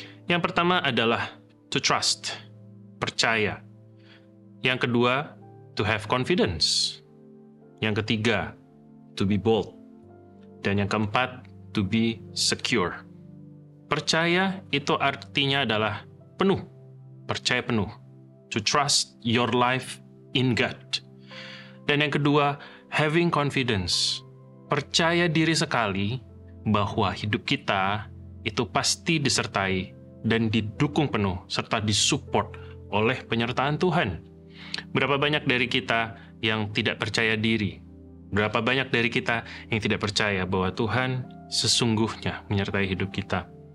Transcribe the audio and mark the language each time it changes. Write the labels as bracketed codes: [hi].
[id] Yang pertama adalah [en] to trust, [id] percaya. Yang kedua, [en] to have confidence. [id] Yang ketiga, [en] to be bold. [id] Dan yang keempat, [en] to be secure. [id] Percaya itu artinya adalah penuh, percaya penuh. [en] To trust your life in God. [id] Dan yang kedua, [en] having confidence. [id] Percaya diri sekali bahwa hidup kita itu pasti disertai dan didukung penuh serta disupport oleh penyertaan Tuhan. Berapa banyak dari kita yang tidak percaya diri? Berapa banyak dari kita yang tidak percaya bahwa Tuhan sesungguhnya menyertai hidup kita?